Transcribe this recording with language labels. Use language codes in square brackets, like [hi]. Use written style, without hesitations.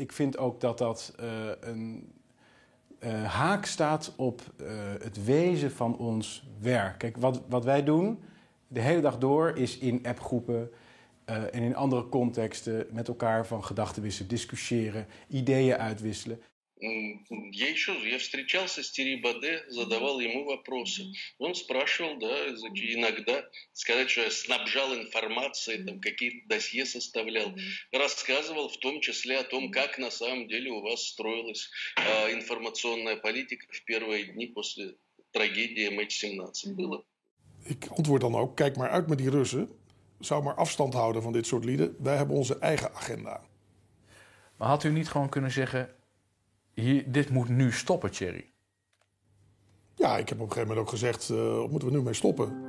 [nl] Ik vind ook dat dat een haak staat op het wezen van ons werk. Kijk, wat wij doen de hele dag door is in appgroepen en in andere contexten met elkaar van gedachten wisselen, discussiëren, ideeën uitwisselen. [ru] Я еще я встречался с Тири Баде, задавал ему вопросы. Он спрашивал, да, иногда сказать, что я снабжал информацией, там какие-то досье составлял, рассказывал в том числе о том, как на самом деле у вас строилась информационная политика в первые дни после трагедии MH17 было. [nl] Ik antwoord dan ook, kijk maar uit met die Russen. Zou maar afstand houden van dit soort lieden. Wij hebben onze eigen agenda. Maar had u niet gewoon kunnen zeggen, dit moet nu stoppen, Thierry. Ja, ik heb op een gegeven moment ook gezegd, moeten we nu mee stoppen?